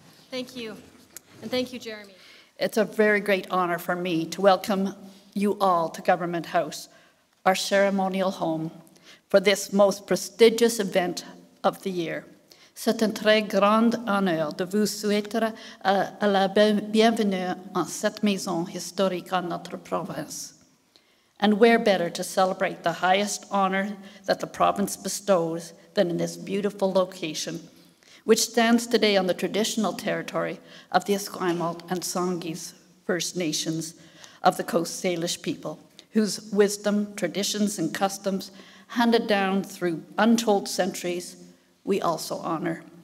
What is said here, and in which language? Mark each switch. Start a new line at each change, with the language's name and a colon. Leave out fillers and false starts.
English: Thank you. And thank you, Jeremy. It's a very great honor for me to welcome you all to Government House, our ceremonial home, for this most prestigious event of the year.
French: C'est un très grand honneur de vous souhaiter la bienvenue en cette maison historique en notre province.
English: And where better to celebrate the highest honor that the province bestows than in this beautiful location, which stands today on the traditional territory of the Esquimalt and Songhees First Nations of the Coast Salish people, whose wisdom, traditions, and customs handed down through untold centuries, we also honor.